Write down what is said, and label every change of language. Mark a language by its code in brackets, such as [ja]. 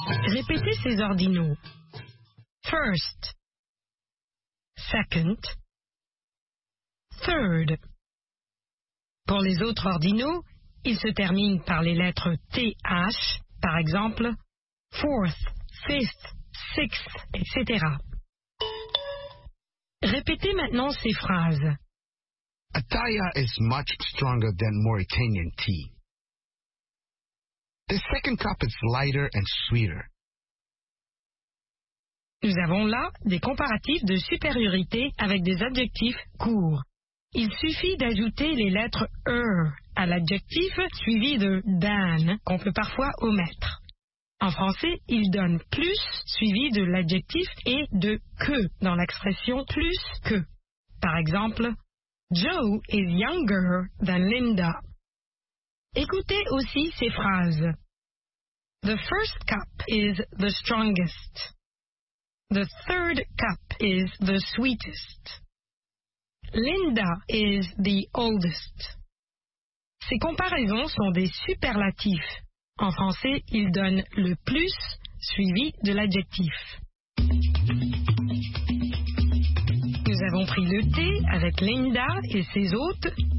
[fr] Répétez ces ordinaux. [en] First. Second. Third. [fr] Pour les autres ordinaux, ils se terminent par les lettres TH, par exemple, fourth, fifth, six, etc. Répétez maintenant ces phrases. [en] Ataya is much stronger than Mauritanian tea. The second cup is lighter and sweeter. [fr] Nous avons là des comparatifs de supériorité avec des adjectifs courts. Il suffit d'ajouter les lettres er à l'adjectif suivi de than qu'on peut parfois omettre. En français, il donne plus suivi de l'adjectif et de que dans l'expression plus que. Par exemple, [en] Joe is younger than Linda. [fr] Écoutez aussi ces phrases. [en] The first cup is the strongest. The third cup is the sweetest. Linda is the oldest. [fr] Ces comparaisons sont des superlatifs. En français, il donne le plus suivi de l'adjectif. Nous avons pris le thé avec Linda et ses hôtes.